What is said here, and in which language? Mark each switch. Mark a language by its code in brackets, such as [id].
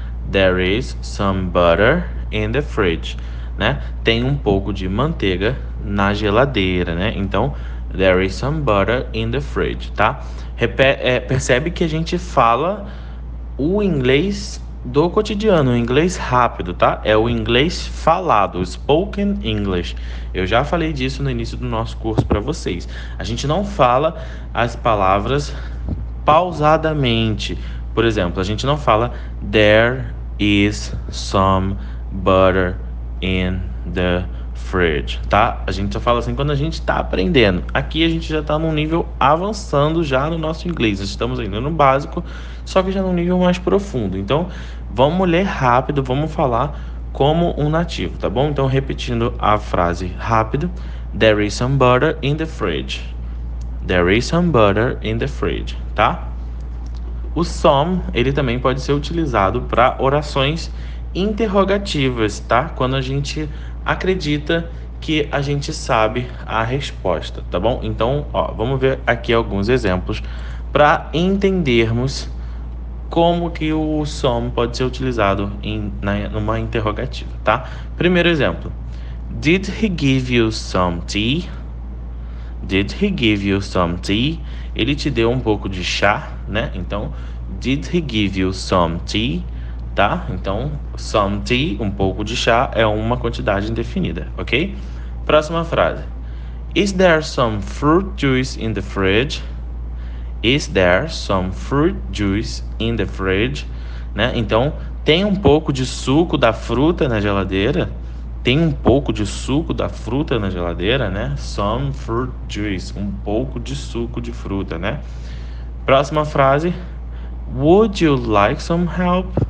[en] There is some butter in the fridge, né? [pt] Tem um pouco de manteiga na geladeira, né? Então, [en] there is some butter in the fridge, tá? [pt] Percebe que a gente fala o inglês do cotidiano, o inglês rápido, tá? É o inglês falado, [en] spoken English. [pt] Eu já falei disso no início do nosso curso para vocês. A gente não fala as palavras pausadamente. Por exemplo, a gente não fala [en] there is some butter in the fridge, [pt] tá? A gente só fala assim quando a gente está aprendendo. Aqui a gente já está num nível avançando já no nosso inglês. Estamos ainda no básico, só que já num nível mais profundo. Então, vamos ler rápido, vamos falar como um nativo, tá bom? Então, repetindo a frase rápido. [en] There is some butter in the fridge. There is some butter in the fridge, tá? [pt] O some, ele também pode ser utilizado para orações interrogativas, tá? Quando a gente acredita que a gente sabe a resposta, tá bom? Então, ó, vamos ver aqui alguns exemplos para entendermos como que o some pode ser utilizado numa interrogativa, tá? [en] Primeiro exemplo. Did he give you some tea? Did he give you some tea? [pt] Ele te deu um pouco de chá, né? [en] Então, did he give you some tea? tá? [pt] Então, some tea, um pouco de chá, é uma quantidade indefinida, ok? Próxima frase. [en] Is there some fruit juice in the fridge? Is there some fruit juice in the fridge? [pt] Né? Então, tem um pouco de suco da fruta na geladeira? Tem um pouco de suco da fruta na geladeira, né? [en] Some fruit juice, [pt] um pouco de suco de fruta, né? Próxima frase. [en] Would you like some help?